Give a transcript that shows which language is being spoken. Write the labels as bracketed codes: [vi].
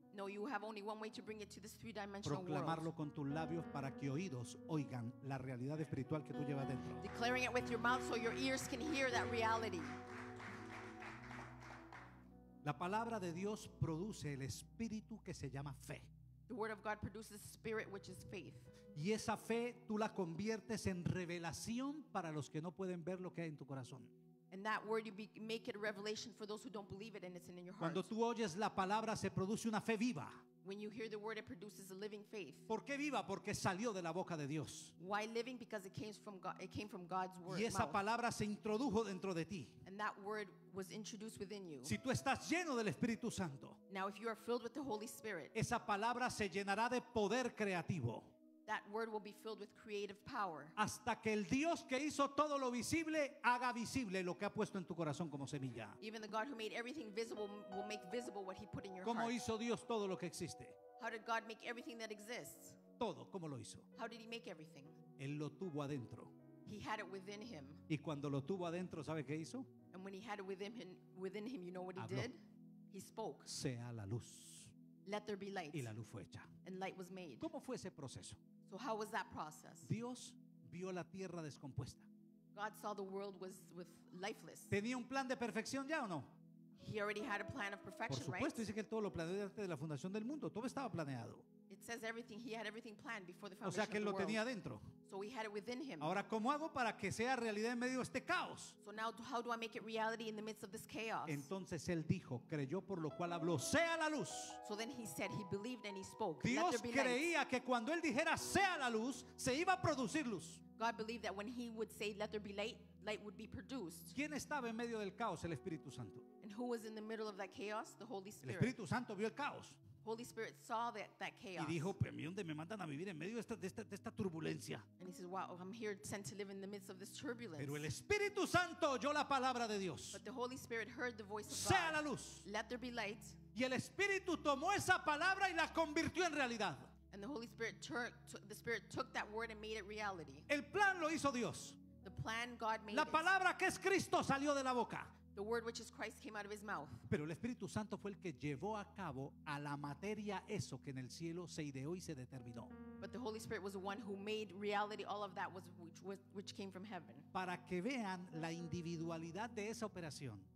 [en] No, you have only one way to bring it to this three-dimensional world. [es] Proclamarlo con tus labios para que oídos oigan la realidad espiritual que tú llevas dentro. [en] Declaring it with your mouth so your ears can hear that reality. [es] La palabra de Dios produce el espíritu que se llama fe. [en] The word of God produces spirit, which is faith. [es] Y esa fe tú la conviertes en revelación para los que no pueden ver lo que hay en tu corazón. [en] And that word you make it a revelation for those who don't believe it, and it's in your heart. [es] Cuando tú oyes la palabra, se produce una fe viva. [en] When you hear the word, it produces a living faith. [es] ¿Por qué viva? Porque salió de la boca de Dios. [en] Why living? Because it came from God. It came from God's word. [es] Y esa palabra se introdujo dentro de ti. [en] And that word was introduced within you. [es] Si tú estás lleno del Espíritu Santo. [en] Now, if you are filled with the Holy Spirit. [es] Esa palabra se llenará de poder creativo. [en] That word will be filled with creative power. [es] Hasta que el Dios que hizo todo lo visible haga visible lo que ha puesto en tu corazón como semilla. [en] Even the God who made everything visible will make visible what he put in your [es] ¿cómo [en] heart? [es] Hizo Dios todo lo que existe? [en] How did God make everything that exists? [es] Todo, ¿cómo lo hizo? [en] How did he make everything? [es] Él lo tuvo adentro. [en] He had it within him. [es] Y cuando lo tuvo adentro, ¿sabe qué hizo? [en] And when he had it within him, you know what [es] habló. [en] He did? He spoke. [es] Sea la luz. [en] Let there be light. [es] Y la luz fue hecha. [en] And light was made. [es] ¿Cómo fue ese proceso? [en] So how was that process? [es] Dios vio la tierra descompuesta. [en] God saw the world was lifeless. [es] ¿Tenía un plan de perfección ya o no? [en] He already had a plan of perfection, right? [es] Por supuesto, [en] right? [es] Dice que todo lo planeó antes de la fundación del mundo. Todo estaba planeado. [en] It says everything, he had everything planned before the foundation of the world. [es] O sea que él lo tenía dentro. [en] So he had it within him. [es] Ahora, ¿cómo hago para que sea realidad en medio de este caos? [en] So now, how do I make it reality in the midst of this chaos? [es] Entonces él dijo, creyó por lo cual habló, sea la luz. [en] So then he said, he believed and he spoke. [es] Dios creía que cuando él dijera sea la luz, se iba a producir luz. [en] God believed that when he would say let there be light, light would be produced. [es] ¿Quién estaba en medio del caos? El Espíritu Santo. [en] And who was in the middle of that chaos? The Holy Spirit. [es] El Espíritu Santo vio el caos. [en] Holy Spirit saw that chaos. [es] Y dijo, ¿dónde me mandan a vivir en medio de esta turbulencia? [en] And he says, wow, I'm here sent to live in the midst of this turbulence. [es] Pero el Espíritu Santo oyó la palabra de Dios. [en] But the Holy Spirit heard the voice of God. [es] Sea la luz. [en] Let there be light. [es] Y el Espíritu tomó esa palabra y la convirtió en realidad. [en] And the Holy Spirit took that word and made it reality. [es] El plan lo hizo Dios. [en] The plan God made. [es] La palabra que es Cristo salió de la boca. [en] The word which is Christ came out of his mouth. [es] Pero el Espíritu Santo fue el que llevó a cabo a la materia eso que en el cielo se ideó y se determinó. [en] But the Holy Spirit was the one who made reality all of that which came from heaven. [es] Para que vean la individualidad de esa operación.